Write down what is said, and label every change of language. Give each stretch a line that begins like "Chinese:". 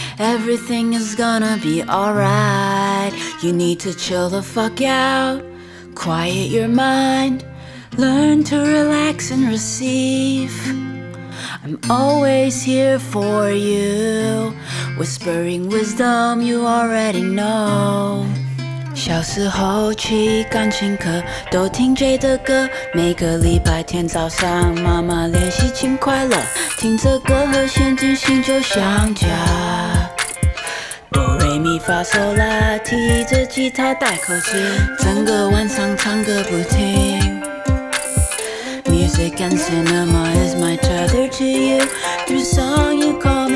English: Everything is gonna be alright. You need to chill the fuck out, quiet your mind, learn to relax and receive. I'm always here for you, whispering wisdom you already know.
Chinese: 小时候去钢琴课，都听 J 的歌。每个礼拜天早上，妈妈练习琴快乐。听着歌和弦，进行就像家。哆瑞咪发嗦啦，提着吉他带口琴，整个晚上唱歌不停。
English: Music and cinema is my tether to you. Through song you call